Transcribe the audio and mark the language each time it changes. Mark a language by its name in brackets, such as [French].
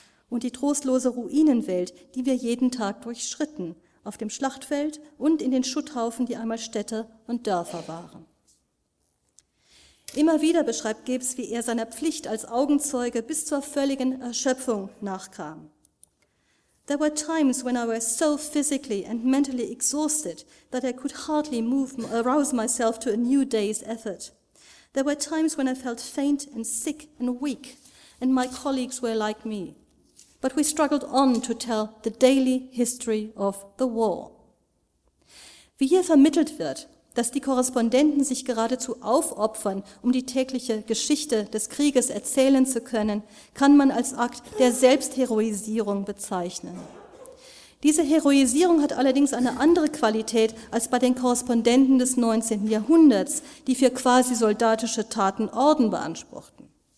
[German] und die trostlose Ruinenwelt, die wir jeden Tag durchschritten, auf dem Schlachtfeld und in den Schutthaufen, die einmal Städte und Dörfer waren. Immer wieder beschreibt Gibbs, wie er seiner Pflicht als Augenzeuge bis zur völligen Erschöpfung nachkam. [English] There were times when I was so physically and mentally exhausted that I could hardly arouse myself to a new day's effort. There were times when I felt faint and sick and weak, and my colleagues were like me. But we struggled on to tell the daily history of the war. [German] Wie hier vermittelt wird, dass die Korrespondenten sich geradezu aufopfern, um die tägliche Geschichte des Krieges erzählen zu können, kann man als Akt der Selbstheroisierung bezeichnen. Diese Heroisierung hat allerdings eine andere Qualität als bei den Korrespondenten des 19. Jahrhunderts, die für quasi soldatische Taten Orden beanspruchten.